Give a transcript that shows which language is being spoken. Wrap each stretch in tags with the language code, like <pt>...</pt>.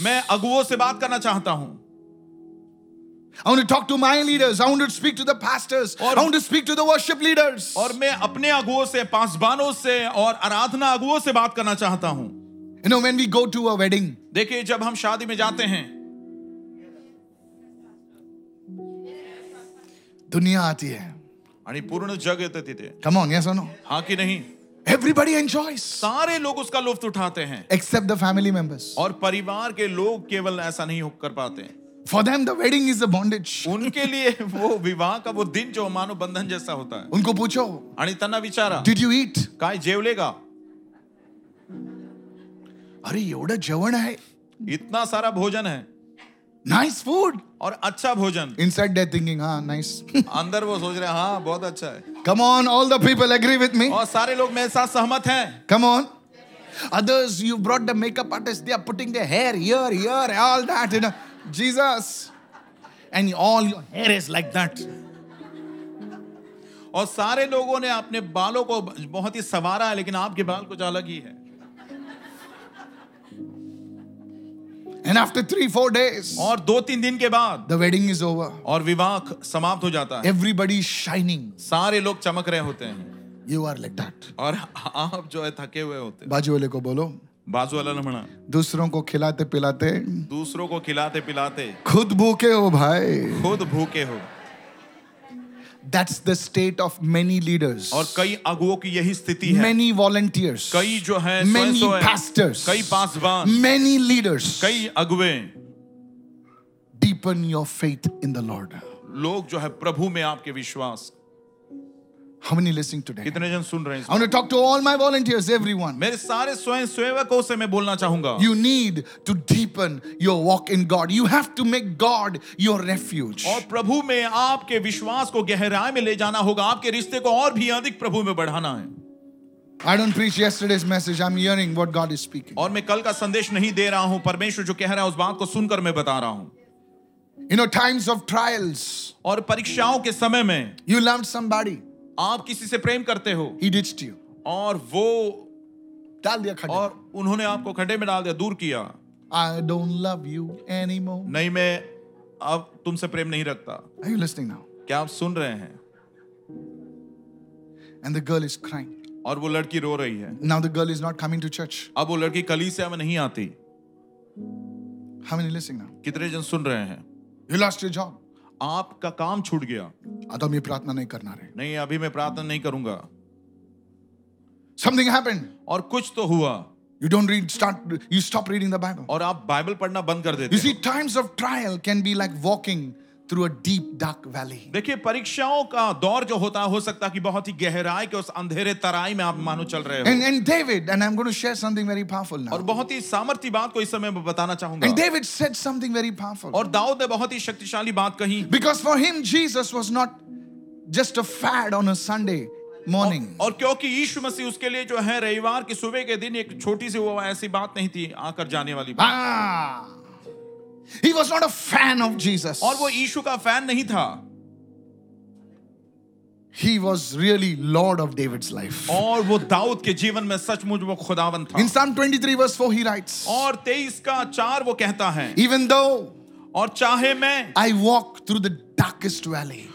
<hi>मैं अगुओं से बात करना चाहता हूं.</hi> <en>I want to talk to my leaders. I want to speak to the pastors. I want to speak to the worship leaders.</en> <hi>और मैं अपने अगुओं से, पासबानों से और आराधना अगुओं से बात करना चाहता हूं.</hi> <en>You know, when we go to a wedding,</en> <hi>देखिए जब हम शादी में जाते हैं, दुनिया आती है. अरे पूर्ण जग आती थे.</hi> <en>Come on, yes or no?</en> <hi>हाँ कि नहीं?</hi> <en>Everybody enjoys.</en> <hi>सारे लोग उसका लुफ्त उठाते हैं.</hi> <en>Except the family members.</en> <hi>और परिवार के लोग केवल ऐसा नहीं कर पाते.</hi> <en>For them, the wedding is a bondage.</en> <hi>उनके लिए वो विवाह का वो दिन जो मानो बंधन जैसा होता है. उनको पूछो.</hi> <mr>अनि तन्ना विचारा.</mr> <en>Did you eat?</en> <mr>काय जेवलेगा? अरे योड़ा जवन है.</mr> <hi>इतना सारा भोजन है.</hi> <en>Nice food.</en> <hi>और अच्छा भोजन.</hi> <en>Inside they're thinking, हाँ, nice.</en> <hi>अंदर वो सोच रहे हैं, हाँ, बहुत अच्छा है.</hi> <en>Come on, all the people agree with me.</en> <hi>और सारे लोग मेरे साथ सहमत हैं.</hi> <en>Come on. Others, you brought the makeup artist. They are putting their hair here, all that, you know. Jesus, and all your hair is like that.</en> <hi>और सारे लोगों ने अपने बालों को बहुत ही सवारा है, लेकिन आपके बाल कुछ अलग ही है.</hi> <en>And after 3-4 days,</en> <hi>और 2-3 दिन के बाद,</hi> <en>the wedding is over.</en> <hi>और विवाह समाप्त हो जाता है.</hi> <en>Everybody is shining.</en> <hi>सारे लोग चमक रहे होते हैं.</hi> <en>You are like that.</en> <hi>और आप जो है थके हुए होते हैं. बाजू वाले को बोलो.</hi> <mr>बाजू वाला ना मना.</mr> <hi>दूसरों को खिलाते पिलाते खुद भूखे हो भाई. खुद भूखे हो.</hi> <en>That's the state of many leaders.</en> <hi>और कई अगुओं की यही स्थिति है.</hi> <en>Many volunteers.</en> <hi>कई जो है.</hi> <en>Many pastors.</en> <hi>कई पासवान.</hi> <en>Many leaders.</en> <hi>कई अगुवे.</hi> <en>Deep deepen your faith in the Lord.</en> <hi>लोग जो है प्रभु में आपके विश्वास.</hi> <en>How many listening today?</en> <hi>कितने जन सुन रहे हैं?</hi> <en>I want to talk to all my volunteers, everyone.</en> <hi>मेरे सारे स्वयंसेवकों से मैं बोलना चाहूंगा.</hi> <en>You need to deepen your walk in God. You have to make God your refuge.</en> <hi>और प्रभु में आपके विश्वास को गहराई में ले जाना होगा. आपके रिश्ते को और भी अधिक प्रभु में बढ़ाना है.</hi> <en>I don't preach yesterday's message. I'm hearing what God is speaking.</en> <hi>और मैं कल का संदेश नहीं दे रहा हूं. परमेश्वर जो कह रहा है उस बात को सुनकर मैं बता रहा हूं.</hi> <en>You know, times of trials.</en> <hi>और परीक्षाओं के समय में.</hi> <en>You loved somebody.</en> <hi>आप किसी से प्रेम करते हो.</hi> <en>He ditched you.</en> <hi>और वो डाल दिया खड्डे. और उन्होंने आपको खड्डे में डाल दिया, दूर किया.</hi> <en>I don't love you anymore.</en> <hi>नहीं, मैं अब तुमसे प्रेम नहीं रखता.</hi> <en>Are you listening now?</en> <hi>क्या आप सुन रहे हैं?</hi> <en>And the girl is crying.</en> <hi>और वो लड़की रो रही है.</hi> <en>Now the girl is not coming to church.</en> <hi>अब वो लड़की कलीसिया में नहीं आती.</hi> <en>How many listening now?</en> <hi>कितने जन सुन रहे हैं?</hi> <en>You lost your job.</en> <hi>आपका काम छूट गया. अदम ये प्रार्थना नहीं करना रहे. नहीं, अभी मैं प्रार्थना नहीं करूंगा.</hi> <en>Something happened.</en> <hi>और कुछ तो हुआ.</hi> <en>You don't read, start, you stop reading the Bible.</en> <hi>और आप बाइबल पढ़ना बंद कर देते.</hi> <en>You see, times of trial can be like walking through a deep dark valley.</en> <hi>देखिए, परीक्षाओं का दौर जो होता है, हो सकता है कि बहुत ही गहराई के उस अंधेरे तराई में आप मानो चल रहे हो.</hi> <en>And David, and I'm going to share something very powerful now.</en> <hi>और बहुत ही सामर्थी बात को इस समय मैं बताना चाहूंगा.</hi> <en>And David said something very powerful.</en> <hi>और दाऊद ने बहुत ही शक्तिशाली बात कही.</hi> <en>Because for him, Jesus was not just a fad on a Sunday morning.</en> <hi>और क्योंकि यीशु मसीह उसके लिए जो है रविवार की सुबह के दिन एक छोटी सी वो ऐसी बात नहीं थी आकर जाने वाली बात.</hi> <en>He was not a fan of Jesus.</en> <hi>और वो यीशु का फैन नहीं था.</hi> <en>He was really Lord of David's life.</en> <hi>और वो दाऊद के जीवन में सचमुच वो खुदावन था.</hi> <en>In Psalm 23 verse 4 he writes.</en> <hi>और 23 का 4 वो कहता है.</hi> <en>Even though.</en> <hi>और चाहे मैं.</hi> <en>I walk through the darkest valley.</en>